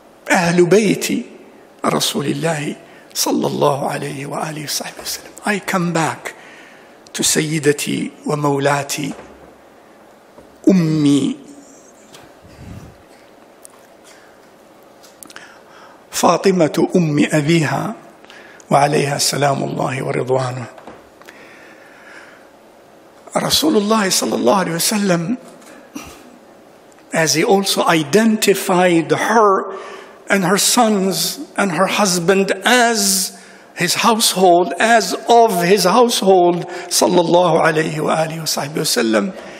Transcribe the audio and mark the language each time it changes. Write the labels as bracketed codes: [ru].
[ar] أهل بيتي رسول الله صلى الله عليه وآله وصحبه وسلم. [en] I come back to [ar] سيدتي ومولاتي أمي. فاطمة أم أبيها وعليها سلام الله ورضوانه. [en] Rasulullah sallallahu alayhi wa sallam, as he also identified her and her sons and her husband as his household, as of his household sallallahu alayhi wa alihi wa sahbihi wa sallam,